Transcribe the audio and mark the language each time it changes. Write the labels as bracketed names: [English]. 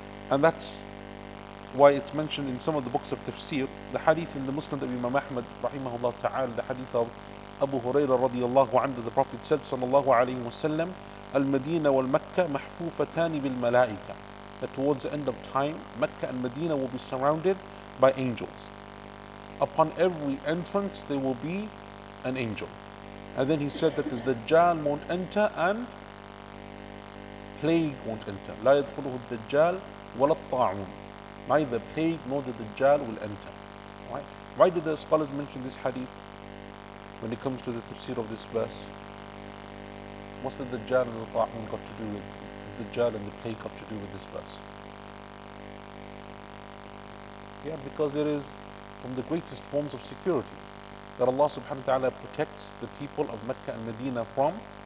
[English] And that's why it's mentioned in some of the books of tafsir, the hadith in the Muslim of Imam Ahmad rahimahullah ta'ala, the hadith of Abu Huraira radiyallahu anhu, the Prophet said sallallahu alayhi wa sallam, [Arabic] al-Madina wal-Makkah mahfufatani bil-Malaika, [English] that towards the end of time, Mecca and Medina will be surrounded by angels. Upon every entrance there will be an angel. And then he said that the Dajjal won't enter and plague won't enter. [Arabic] لا يدخله الدجال ولا الطاعون. [English] Neither plague nor the Dajjal will enter. Right? Why do the scholars mention this hadith when it comes to the tafsir of this verse? What's the Dajjal and the Ta'un got to do with the Dajjal and the plague got to do with this verse? Yeah, because it is from the greatest forms of security that Allah subhanahu wa ta'ala protects the people of Mecca and Medina from.